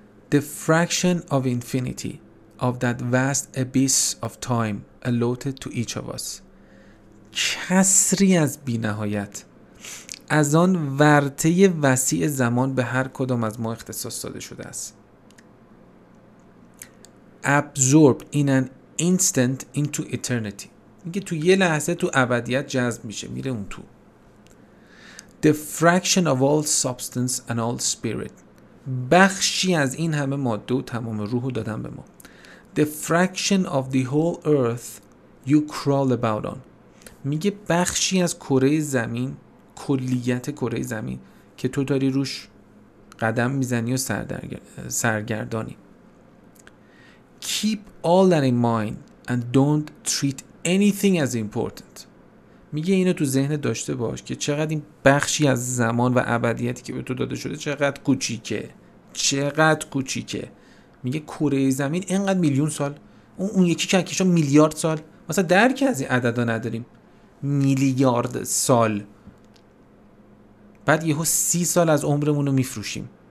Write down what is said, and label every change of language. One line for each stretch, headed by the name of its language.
English: The fraction of infinity of that vast abyss of time allotted to each of us.
Persian: کسری از بی نهایت، از آن ورطه وسیع زمان به هر کدام از ما اختصاص داده شده است.
English: Absorbed in an instant into eternity.
Persian: میگه تو یه لحظه تو ابدیت جذب میشه، میره اون تو.
English: The fraction of all substance and all spirit.
Persian: بخشی از این همه ماده و تمام روح رو دادن به ما.
English: The fraction of the whole earth you crawl about on.
Persian: میگه بخشی از کره زمین، کلیت کره زمین که تو داری روش قدم میزنی و سرگردانی.
English: Keep all that in mind and don't treat anything as important.
Persian: میگه اینو تو ذهن داشته باش که چقدر این بخشی از زمان و ابدیتی که به تو داده شده چقدر کوچیکه، چقدر کوچیکه. میگه کره زمین اینقدر میلیون سال، اون یکی کهکشان میلیارد سال، مثلا درک از این عددا نداریم. میلیارد سال، بعد یهو 30 سال از عمرمونو میفروشیم.